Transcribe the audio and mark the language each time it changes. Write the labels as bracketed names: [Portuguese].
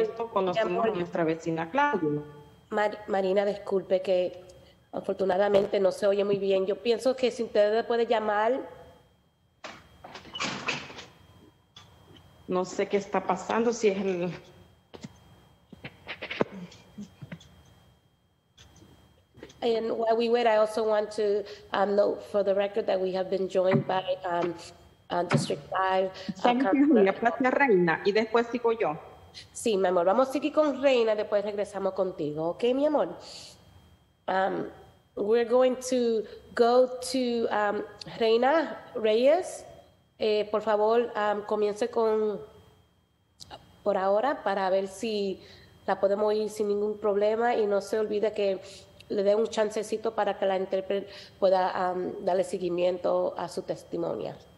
[Spanish] esto, conocimos a nuestra vecina Claudia. Marina, disculpe que afortunadamente no se oye muy bien. Yo pienso que si usted puede llamar. No sé qué está pasando, si es el... [English] And while we wait, I also want to note for the record that we have been joined by District 5. [Spanish] Reina, y después sigo yo. Sí, mi amor, vamos a seguir con Reina, después regresamos contigo, ¿ok, mi amor? [English] We're going to go to Reina Reyes. [Spanish] Por favor, comience con por ahora para ver si la podemos oír sin ningún problema y no se olvide que le dé un chancecito para que la intérprete pueda darle seguimiento a su testimonio.